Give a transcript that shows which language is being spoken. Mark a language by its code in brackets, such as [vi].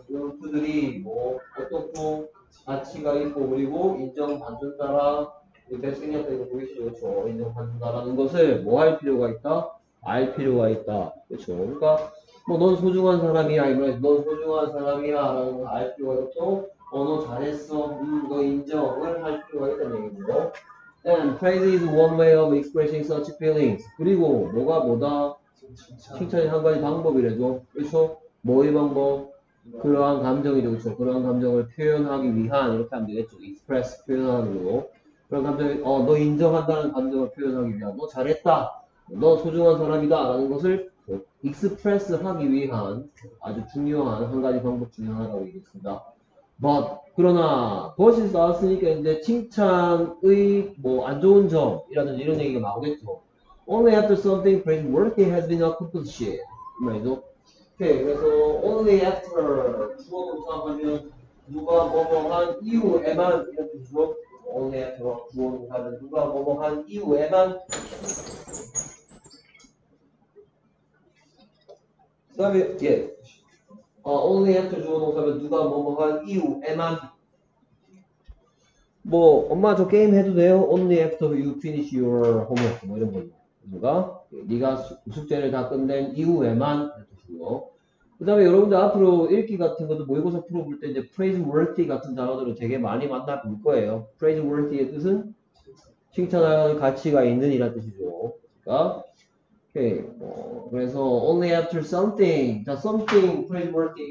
[ko] 이런 분들이 뭐 어떻고 가치가 있고 그리고 인정받는다라 백승이한테도 보이시죠? 그렇죠? 인정받는다라는 것을 뭐 할 필요가 있다? 알 필요가 있다. 그렇죠? 그러니까 뭐 넌 소중한 사람이야 이번에 넌 소중한 사람이야 라는 걸 알 필요가 있고 언어 잘했어, 그거 인정을 할 필요가 있다는 얘기죠. [en] And praise is one way of expressing such feelings. [ko] 그리고 뭐가 뭐다? 칭찬이 한 가지 방법이래죠. 그렇죠? 뭐의 방법? 그러한 감정이죠. 그렇죠? 그러한 감정을 표현하기 위한 이렇게 하면 되겠죠. express, 표현하는 거고. 그런 감정이, 너 인정한다는 감정을 표현하기 위한, 너 잘했다, 너 소중한 사람이다 라는 것을 express 하기 위한 아주 중요한 한 가지 방법 중에 하나라고 얘기했습니다. But, 그러나, but이 나왔으니까 이제 칭찬의 뭐 안 좋은 점이라든지 이런 얘기가 나오겠죠. [en] Only after something praiseworthy has been accomplished. [ko] 그 말이죠. Okay, 그래서 only after 주어부터 하면 누가 뭐뭐 한 이후에만 이렇게 주어 only after 주어부터 하면 누가 뭐뭐 한 이후에만 그다음에 예. Only after 주어 동사면 누가 뭐뭐 한 이후에만 뭐 엄마 저 게임 해도 돼요? [en] Only after you finish your homework [ko] 뭐 이런 거 누가? 네가 숙제를 다 끝낸 이후에만 그 다음에 여러분들 앞으로 읽기 같은 것도 모의고사 풀어볼 때 이제 praiseworthy 같은 단어들을 되게 많이 만나 볼 거예요. praiseworthy의 뜻은 칭찬할 가치가 있는 이란 뜻이죠. 그러니까 오케이. 그래서 [en] only after something, the something praiseworthy.